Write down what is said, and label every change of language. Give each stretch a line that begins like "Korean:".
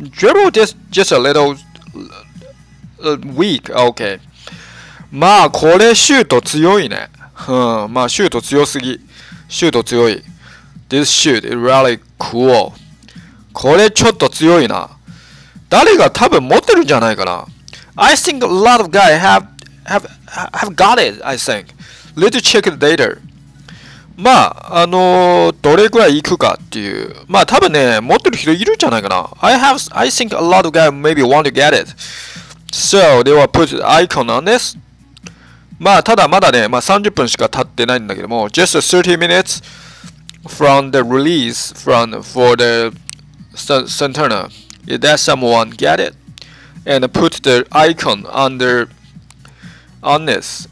English: Dribble just a little weak. OK。
Japanese: まあ、これシュート強いね。うん、まあ、シュート強すぎ。シュート強い。
English: This shoot is really cool.
Japanese: これちょっと強いな。誰が多分持ってるんじゃないかな。
English: I think a lot of guys have got it, I think. Let's check the data.
Japanese: まあ、どれくらいいくかっていう。まあ、多分ね、持ってる人いるんじゃないかな。
English: I think a lot of guys maybe want to get it. So, they will put the icon on this.
Japanese: まあ、ただまだね、まあ、30分しか経ってないんだけども、
English: just 30 minutes from the release for the Santana. Is that someone get it? And put the icon underOn this.